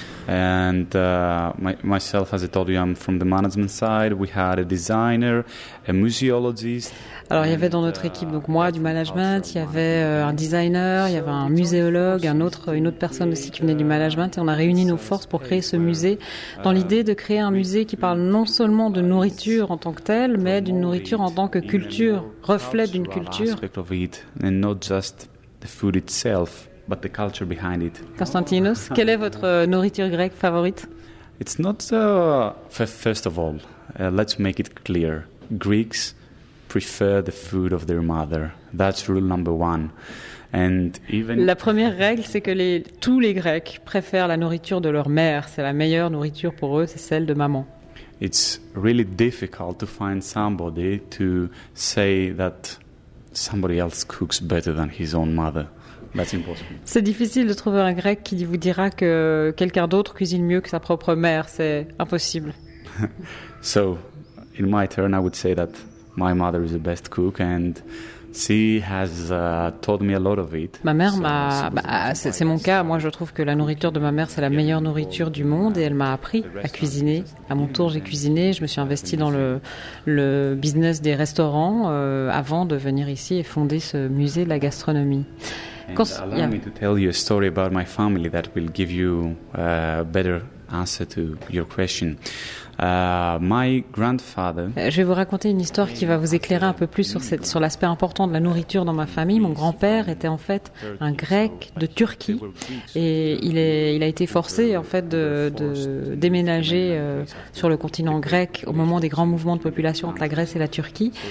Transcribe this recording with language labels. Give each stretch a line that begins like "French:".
English: And myself, as I told you, I'm from the management side. We had a designer, a museologist.
French: Alors, il y avait dans notre équipe, donc moi du management, il y avait un designer, il y avait un muséologue, une autre personne aussi qui venait du management. Et on a réuni nos forces pour créer ce musée dans l'idée de créer un musée qui parle non seulement de nourriture en tant que telle, mais d'une nourriture en tant que culture, reflet d'une culture.
English: And not just the food itself. But the culture behind it.
French: Konstantinos, quelle est votre nourriture grecque favorite?
English: It's not first of all, let's make it clear. Greeks prefer the food of their mother. That's rule number one. And even
French: la première règle, c'est que tous les Grecs préfèrent la nourriture de leur mère. C'est la meilleure nourriture pour eux, c'est celle de maman.
English: It's really difficult to find somebody to say that somebody else cooks better than his own mother. That's impossible.
French: C'est difficile de trouver un Grec qui vous dira que quelqu'un d'autre cuisine mieux que sa propre mère. C'est impossible.
English: So, in my turn, I would say that my mother is the best cook and she has taught me a lot of it.
French: Ma mère m'a... c'est mon cas. Moi, je trouve que la nourriture de ma mère, c'est la meilleure nourriture du monde et elle m'a appris à cuisiner. À mon tour, j'ai cuisiné. Je me suis investi dans le business des restaurants avant de venir ici et fonder ce musée de la gastronomie.
English: Allow me to tell you a story about my family that will give you a better answer to your question. My grandfather.
French: Je vais vous raconter une histoire qui va vous éclairer un peu plus sur cette, sur l'aspect important de la nourriture dans ma famille. Mon grand-père était en fait un Grec de Turquie et il a été forcé en fait de déménager sur le continent grec au moment des grands mouvements de population entre la Grèce et la Turquie.